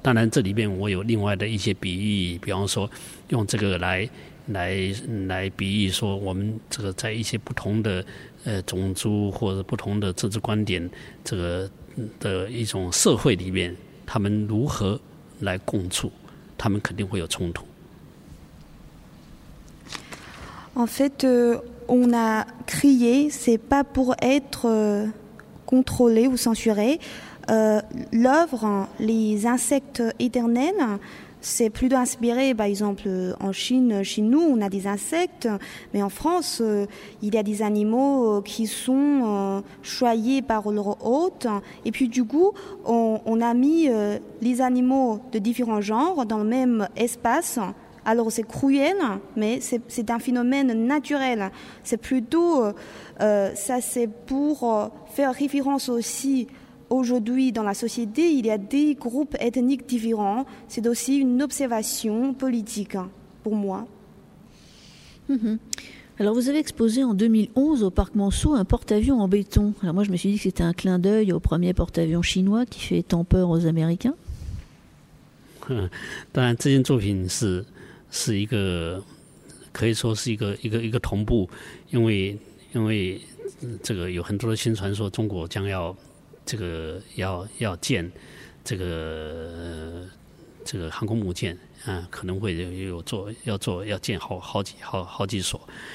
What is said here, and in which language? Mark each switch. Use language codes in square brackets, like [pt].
[zh] 当然，这里面我有另外的一些比喻，比方说用这个来比喻说，我们这个在一些不同的种族或者不同的政治观点这个的一种社会里面，他们如何来共处，他们肯定会有冲突。 [fr] En fait, on a crié, c'est pas pour être contrôlé ou censuré. L'œuvre, les insectes éternels, c'est plutôt inspiré, par exemple, en Chine, chez nous, on a des insectes, mais en France, il y a des animaux qui sont choyés par leur hôte. Et puis, du coup, on a mis les animaux de différents genres dans le même espace. Alors, c'est cruel, mais c'est un phénomène naturel. C'est plutôt, ça, c'est pour faire référence aussi. Aujourd'hui, dans la société, il y a des groupes ethniques différents. C'est aussi une observation politique pour moi. Mmh. Alors, vous avez exposé en 2011 au Parc Monceau un porte-avions en béton. Alors, moi, je me suis dit que c'était un clin d'œil au premier porte-avions chinois qui fait tant peur aux Américains. [zh] 当然，这件作品是一个可以说是一个同步，因为这个有很多的宣传说中国将要。这个要建这个航空母舰啊，可能会有做要做要建好几所。